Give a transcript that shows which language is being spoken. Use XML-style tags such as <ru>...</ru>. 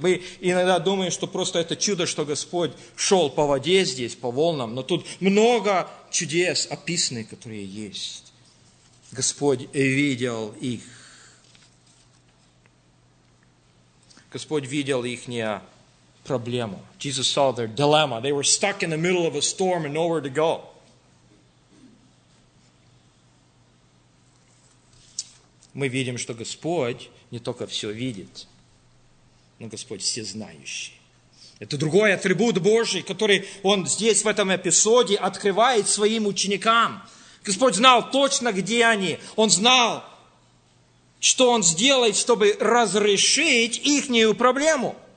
<ru>Мы иногда думаем, что просто это чудо, что Господь шел по воде здесь, по волнам. Но тут много чудес описаны, которые есть. Господь видел их. Господь видел их проблему.</ru> <en>Jesus saw their dilemma. They were stuck in the middle of a storm and nowhere to go.</en> <ru>Мы видим, что Господь не только все видит, но Господь всезнающий. Это другой атрибут Божий, который Он здесь в этом эпизоде открывает Своим ученикам. Господь знал точно, где они. Он знал, что Он сделает, чтобы разрешить ихнюю проблему.</ru>